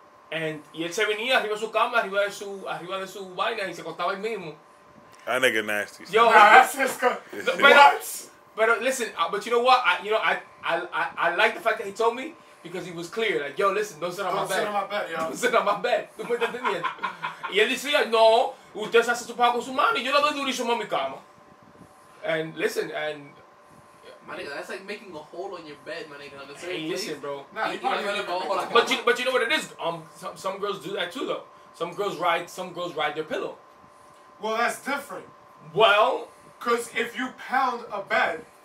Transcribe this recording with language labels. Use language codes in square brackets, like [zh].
[es] Y él se venía arriba de su cama, arriba de su vaina y se acostaba ahí mismo. [en] That nigga nasty. Yo, that's just but listen, but you know what? I like the fact that he told me because he was clear. Like, yo, listen, don't sit on my bed. [es] Tú me estás entendiendo. Y él decía, no, usted se hace su pago con su mami, yo le doy durísimo a mi cama. [en] And listen, and my nigga, that's like making a hole in your bed, my nigga. Hey, listen, bro. But you know what it is? Some girls do that too, though. Some girls ride their pillow. Well, that's different. Well, because if you pound a bed,